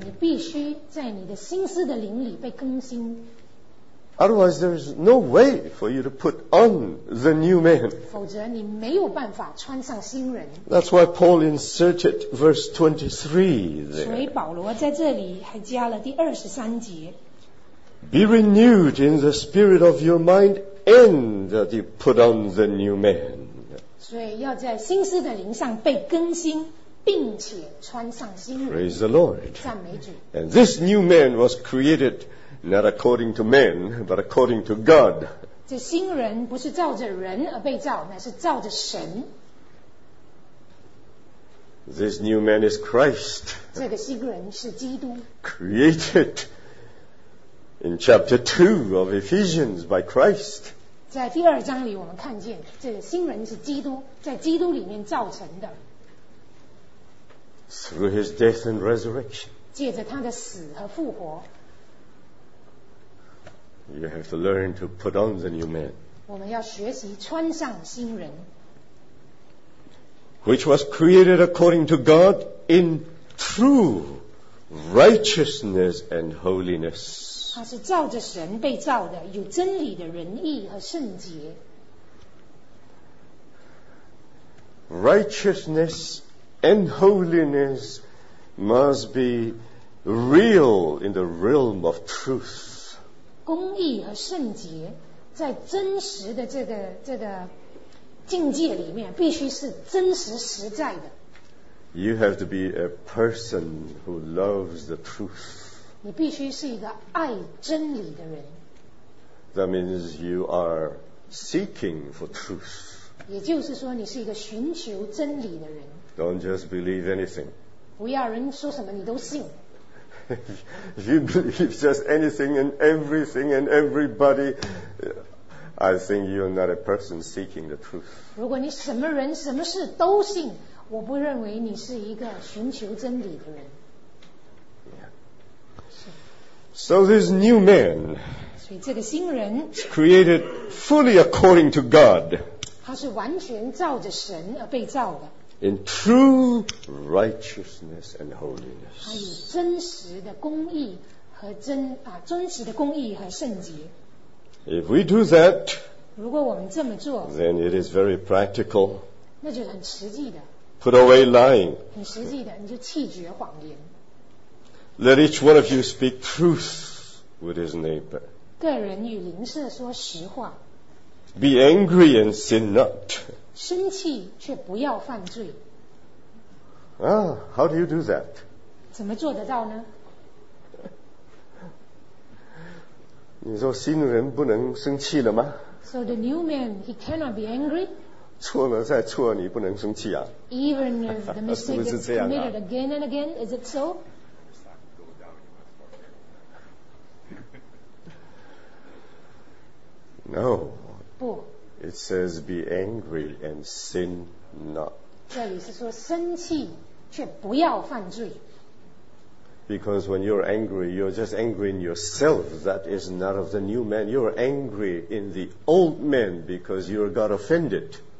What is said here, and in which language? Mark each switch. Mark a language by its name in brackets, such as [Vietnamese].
[Chinese] 你必须在你的心思的灵里被更新。 [English] Otherwise, there is no way for you to put on the new man. [Chinese] 否则你没有办法穿上新人。 [English] That's why Paul inserted verse 23 there. [Chinese] 所以保罗在这里还加了第二十三节。 [English] Be renewed in the spirit of your mind and you put on the new man. [Chinese] 所以要在心思的灵上被更新，并且穿上新人。 [English] Praise the Lord. [Chinese] 赞美主。 [English] And this new man was created... Not according to men, but according to God. [Chinese] 这新人不是照着人而被造，乃是照着神。 [English] This new man is Christ. [Chinese] 这个新人是基督。 [English] Created in chapter 2 of Ephesians by Christ. [Chinese] 在第二章里我们看见，这个新人是基督，在基督里面造成的。 [English] Through his death and resurrection. [Chinese] 借着他的死和复活。 [English] You have to learn to put on the new man. [Chinese] 我们要学习穿上新人。 [English] Which was created according to God in true righteousness and holiness. [Chinese] 它是照着神被造的，有真理的仁义和圣洁。 [English] Righteousness and holiness must be real in the realm of truth. [Chinese] 公义和圣洁在真实的这个境界里面必须是真实实在的。 [English] You have to be a person who loves the truth. [Chinese] 你必须是一个爱真理的人。 [English] That means you are seeking for truth. [Chinese] 也就是说你是一个寻求真理的人。 [English] Don't just believe anything. [Chinese] 不要人说什么你都信。 [English] If you believe just anything and everything and everybody, I think you are not a person seeking the truth. [Chinese] 如果你什么人什么事都信，我不认为你是一个寻求真理的人。 [English] So this new man, [Chinese] 所以这个新人 [English] is created fully according to God. [Chinese] 他是完全照着神而被造的。 [English] In true righteousness and holiness. [Chinese] 他有真实的公义和真实的公义和圣洁。 [English] If we do that, [Chinese] 如果我们这么做 [English] then it is very practical. [Chinese] 那就很实际的。 [English] Put away lying. [Chinese] 很实际的，你就弃绝谎言。 [English] Let each one of you speak truth with his neighbor. [Chinese] 个人与邻舍说实话。 [English] Be angry and sin not. [Chinese] 生气却不要犯罪。 [English] Ah, how do you do that? [Chinese] 怎么做得到呢？你说新人不能生气了吗？ [English] So the new man, he cannot be angry. [Chinese] 错了再错，你不能生气啊。 [English] Even if the mistake is committed again and again, is it so? No. [Chinese] 不。 [English] It says, "Be angry and sin not." [Chinese] 这里是说生气却不要犯罪。 [English] Because when you're angry, you're just angry in yourself. That is not of the new man. You're angry in the old man because you got offended.